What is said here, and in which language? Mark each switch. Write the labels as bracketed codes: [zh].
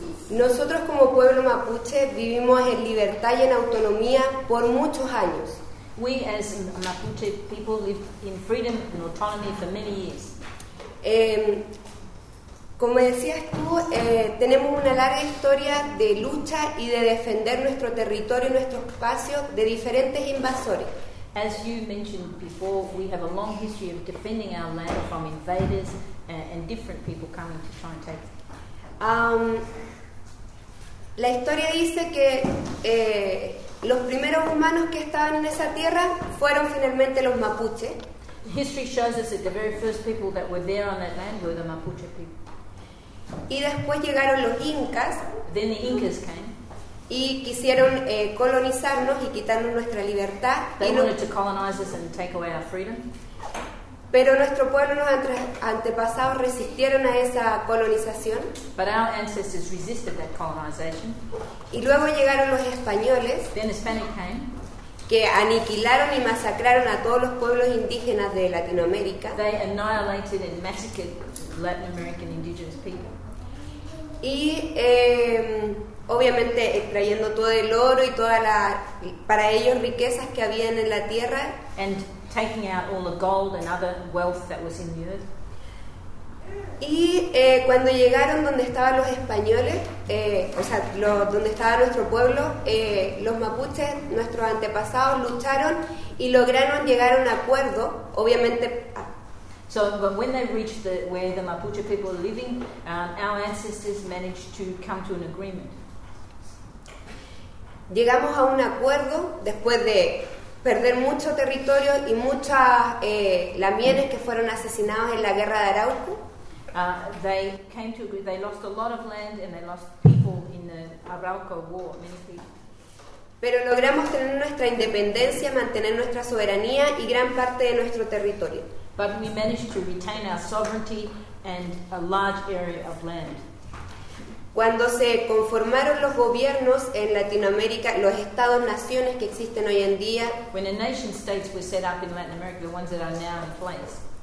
[es] nosotros como pueblo mapuche vivimos en libertad y en autonomía por muchos años. [en] We as Mapuche people live in freedom and autonomy for many years. [es] Como decías tú, tenemos una larga historia de lucha y de defender nuestro territorio y nuestro espacio de diferentes invasores. [en] As you mentioned before, we have a long history of defending our land from invaders and different people coming to try and take it. [es] La historia dice que los primeros humanos que estaban en esa tierra fueron finalmente los mapuche. [en] History shows us that the very first people that were there on that land were the Mapuche people. [es] Y después llegaron los incas. [en] Then the Incas came. [es] Y quisieron colonizarnos y quitarnos nuestra libertad. [en] They [es] y [en] wanted to colonize us and take away our freedom. [es] Pero nuestro pueblo, nuestros antepasados resistieron a esa colonización. [en] But our ancestors resisted that colonization. [es] Y luego llegaron los españoles. [en] Then the Spanish came. [es] Que aniquilaron y masacraron a todos los pueblos indígenas de Latinoamérica. [en] They annihilated and massacred Latin American indigenous people. [es] Y obviamente extrayendo todo el oro y todas las para ellos riquezas que habían en la tierra. [en] And taking out all the gold and other wealth that was in the earth. [es] Y cuando llegaron donde estaban los españoles, donde estaba nuestro pueblo, los mapuches, nuestros antepasados, lucharon y lograron llegar a un acuerdo, obviamente. [en] So, but when they reached where the Mapuche people are living, our ancestors managed to come to an agreement. [es] Llegamos a un acuerdo después de perder mucho territorio y muchas lamienes que fueron asesinados en la Guerra de Arauco. [en] They lost a lot of land and they lost people in the Arauco War, many people. [es] Pero logramos tener nuestra independencia, mantener nuestra soberanía y gran parte de nuestro territorio. [en] But we managed to retain our sovereignty and a large area of land. [es] Cuando se conformaron los gobiernos en Latinoamérica, los estados-naciones que existen hoy en día, [en] when the nation states were set up in Latin America, the ones that are now in place,